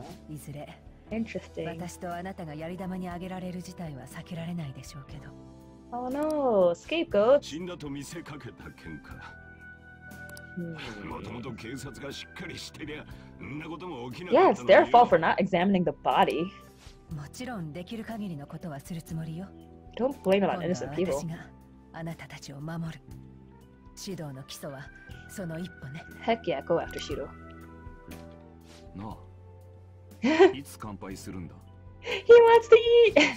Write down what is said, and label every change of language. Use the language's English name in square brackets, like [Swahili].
[Japanese] いずれ [English] Interesting. [Japanese] 私とあなたがやり玉に挙げられる事態は避けられないでしょうけど。 [English] Oh no, scapegoat. [Japanese] 死んだと見せかけた喧嘩。もともと警察がしっかりしてりゃんなことも起きなかったのよ。 [English] Yeah, it's their fault for not examining the body. [Japanese] もちろんできる限りのことはするつもりよ。 [English] Don't blame it on innocent people. [Japanese] 今度は私があなたたちを守る。指導の基礎はその一歩ね。 [English] Heck yeah, go after Shiro. No. [Japanese] いつ乾杯するんだ。 [English] He wants to eat.